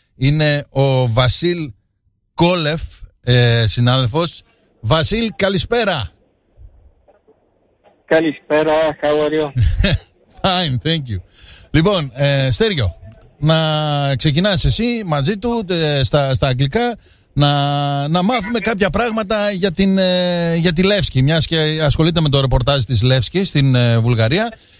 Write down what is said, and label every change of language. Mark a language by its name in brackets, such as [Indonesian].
[Greek] Είναι ο Βασίλ Κόλεφ, συνάδελφος. Βασίλ, καλησπέρα. Καλησπέρα, [English] how are you? Fine, thank you. [Greek] Λοιπόν, Στέργιο, να ξεκινάς εσύ μαζί του στα αγγλικά, να μάθουμε κάποια πράγματα για για τη Λεύσκη, μιας και ασχολείται με το ρεπορτάζ της Λεύσκη στην Βουλγαρία.